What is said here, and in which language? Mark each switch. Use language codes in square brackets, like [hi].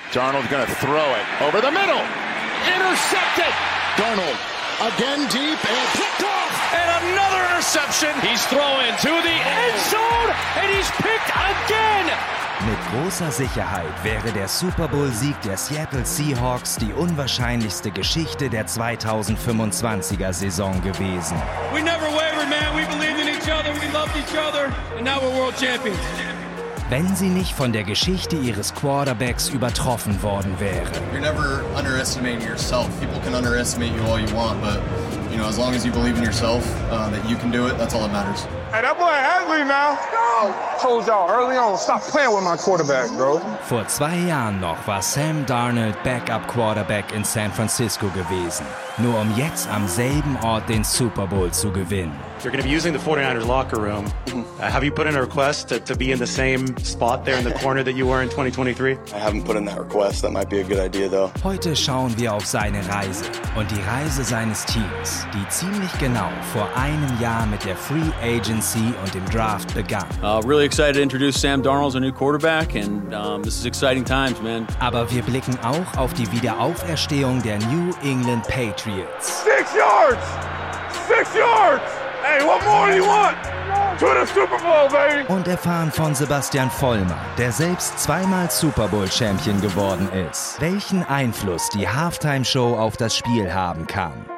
[en] Darnold's going to throw it over the middle. Intercepted. Darnold again deep and picked off. And another interception. He's throwing to the end zone and he's picked again. [de] Mit großer Sicherheit wäre der Super Bowl-Sieg der Seattle Seahawks die unwahrscheinlichste Geschichte der 2025er-Saison gewesen. [en] We never wavered, man. We believed in each other. We loved each other. And now we're world champions. [de] Wenn sie nicht von der Geschichte ihres Quarterbacks übertroffen worden wäre. [en] You're never underestimating yourself. People can underestimate you all you want, but you know, as long as you believe in yourself, that you can do it, that's all that matters. Hey, that boy Hadley now. Told y'all early on, stop playing with my quarterback, bro. [de] Vor zwei Jahren noch war Sam Darnold Backup Quarterback in San Francisco gewesen, nur um jetzt am selben Ort den Super Bowl zu gewinnen. [en] You're going to be using the 49ers locker room. Have you put in a request to be in the same spot there in the corner that you were in 2023? I haven't put in that request. That might be a good idea, though. [de] Heute schauen wir auf seine Reise und die Reise seines Teams, die ziemlich genau vor einem Jahr mit der Free Agency und dem Draft begann. [en] Really excited to introduce Sam Darnold, our new quarterback, and this is exciting times, man. [de] Aber wir blicken auch auf die Wiederauferstehung der New England Patriots. [en] 6 yards! 6 yards! Hey, what more do you want? To the Super Bowl, baby! [de] Und erfahren von Sebastian Vollmer, der selbst zweimal Super Bowl-Champion geworden ist, welchen Einfluss die Halftime-Show auf das Spiel haben kann.